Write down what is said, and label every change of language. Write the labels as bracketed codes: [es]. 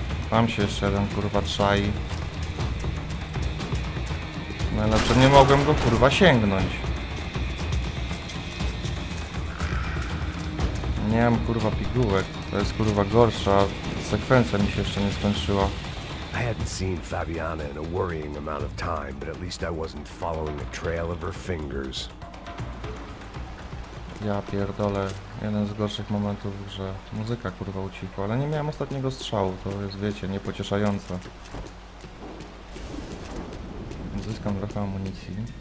[pl] Tam się jeszcze jeden kurwa czai. Najlepsze, nie mogłem go kurwa sięgnąć. Nie mam kurwa pigułek. To jest kurwa gorsza. Sekwencja mi się jeszcze nie skończyła. [en] I hadn't seen Fabiana in a worrying amount of time, but at least I wasn't following the trail of her fingers. [pl] Ja pierdolę, jeden z gorszych momentów, że muzyka kurwa ucichła, ale nie miałem ostatniego strzału, to jest, wiecie, niepocieszające. Zyskam trochę amunicji.